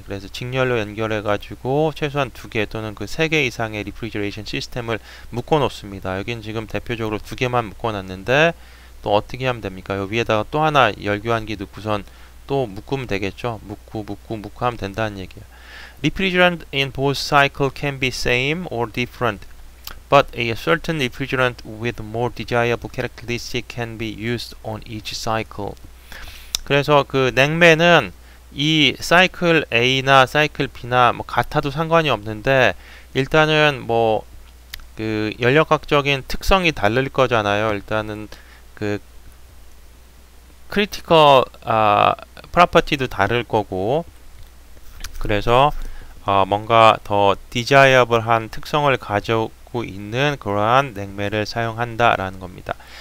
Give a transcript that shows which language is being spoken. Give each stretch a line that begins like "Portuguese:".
Korean: 그래서 직렬로 연결해가지고 최소한 두개 또는 그세개 이상의 refrigeration 시스템을 묶어 놓습니다. 여긴 지금 대표적으로 두 개만 묶어 놨는데 또 어떻게 하면 됩니까? 요 위에다가 또 하나 열교환기 넣고선 또 묶으면 되겠죠. 묶고 하면 된다는 얘기야.
English: Refrigerant in both cycle can be same or different. But a certain refrigerant with more desirable characteristic can be used on each cycle.
Korean: 그래서 그 냉매는 이 사이클 A나 사이클 B나 뭐 같아도 상관이 없는데 일단은 뭐그 열역학적인 특성이 다를 거잖아요. 일단은 그 크리티컬 프로퍼티도 다를 거고 그래서 뭔가 더 디자이어블한 특성을 가져 있는 그러한 냉매를 사용한다라는 겁니다.